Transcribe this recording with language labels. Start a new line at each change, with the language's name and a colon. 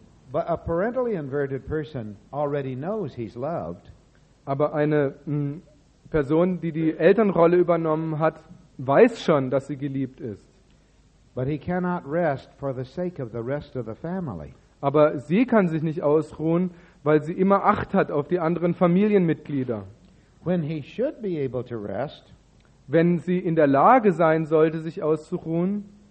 English: But a parentally inverted person already knows he's loved.
German: Aber eine Person, die die Elternrolle übernommen hat, weiß schon, dass sie geliebt ist.
English: But he cannot rest for the sake of the rest of the family.
German: Aber sie kann sich nicht ausruhen, weil sie immer Acht hat auf die anderen Familienmitglieder.
English: When he should be able to rest,
German: wenn sie in der Lage sein sollte, sich auszuruhen,